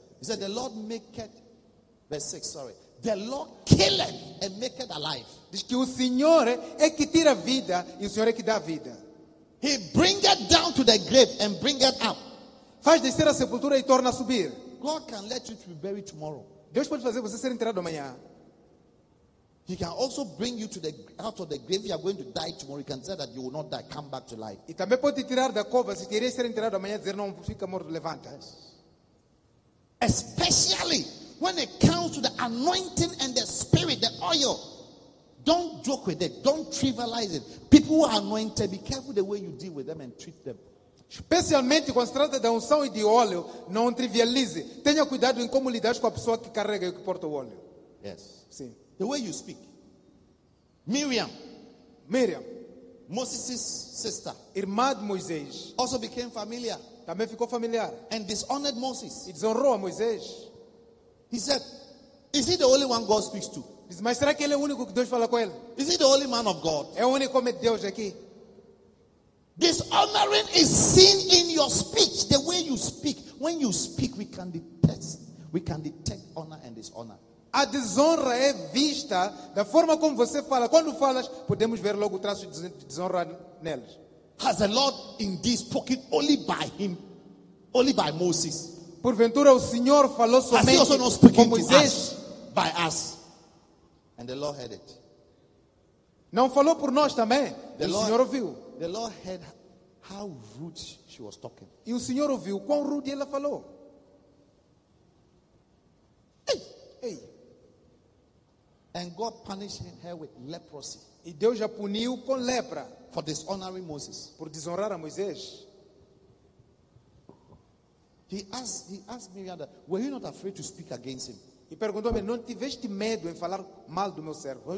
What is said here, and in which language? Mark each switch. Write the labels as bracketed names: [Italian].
[English] He said, the Lord make it, verse 6, sorry. The Lord kill it and make it alive. [Portuguese] Diz que o Senhor é que tira vida e o Senhor é que dá vida. [English] He bring it down to the grave and bring it up. [Portuguese] Faz descer a sepultura e torna a subir. [English] God can let you to be buried tomorrow. [Portuguese] Deus pode fazer você ser enterrado amanhã. [English] He can also bring you to the out of the grave. You are going to die tomorrow. He can say that you will not die. Come back to life. [Portuguese] E também pode tirar da cova se querer ser enterrado amanhã, dizer não fica morto, levanta. [English] Especially when it comes to the anointing and the spirit, the oil. Don't joke with it. Don't trivialize it. People who are anointed, be careful the way you deal with them and treat them. [Portuguese] Especialmente quando se trata da unção e de óleo, não trivialize. Tenha cuidado em como lidar com a pessoa que carrega e que porta o óleo. [English] Yes. [Portuguese] Sim. [English] The way you speak. Miriam. [Portuguese] Miriam. [English] Moses' sister. [Portuguese] Irmã de Moisés. [English] Also became familiar. [Portuguese] Também ficou familiar. [English] And dishonored Moses. [Portuguese] E desonrou a Moisés. [English] He said, is he the only one God speaks to? [Portuguese] Diz, mas será que ele é o único que Deus fala com ele? [English] Is he the only man of God? [Portuguese] É o único homem de Deus aqui. [English] Dishonoring is seen in your speech, the way you speak. When you speak, we can detect honor and dishonor. [Portuguese] A desonra é vista da forma como você fala. Quando falas, podemos ver logo o traço de desonra neles. [English] Has the Lord indeed spoken only by him, only by Moses? [Portuguese] Porventura o Senhor falou somente [English] Has he also not spoken by us? And the Lord heard it. [Portuguese] Não falou por nós também? [English] The Lord, [Portuguese] o Senhor ouviu. [English] The Lord heard how rude she was talking. [Portuguese] E o Senhor ouviu quão rude ela falou. [English] Hey. [Portuguese] Hey. [English] And God punished her with leprosy. [Portuguese] E Deus a puniu com lepra. [English] For dishonoring Moses. [Portuguese] Por desonrar a Moisés. [English] He asked Miriam, were you not afraid to speak against him? [Portuguese] E perguntou-me, não tiveste medo em falar mal do meu servo?